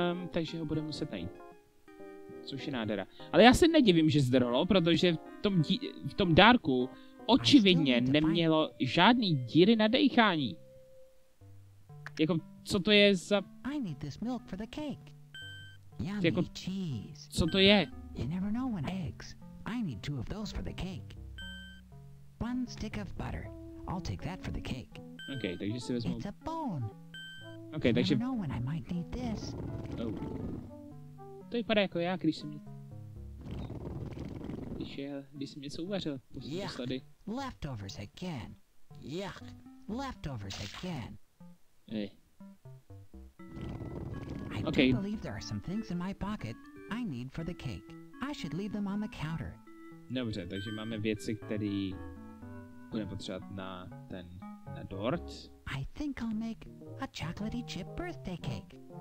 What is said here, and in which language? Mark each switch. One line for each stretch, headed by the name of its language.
Czech: Takže ho bude muset najít. Což je nádhera. Ale já se nedivím, že zdrhlo, protože v tom dárku očividně nemělo žádný díry na dechání. Jako, co to je za...
English: I need this milk for the cake. Yummy cheese.
Czech: Co to je?
English: You never know when eggs I need two of those for the cake. One stick of butter. I'll take that for the cake.
Czech: Okay, takže si vezmu...
English: It's a bone.
Czech: Okay, takže...
English: You never know when I might need this. Oh.
Czech: To vypadá jako já, když jsem... Když jsem něco uvařil.
English: Yuck. Leftovers again. Yuck. Leftovers again. Hey. I okay. Do believe there are some things in my pocket I need for the cake. I should leave them on the counter.
Czech: Dobře, takže máme věci, které budeme potřebovat na ten na dort.
English: I think I'll make a chocolatey chip birthday cake.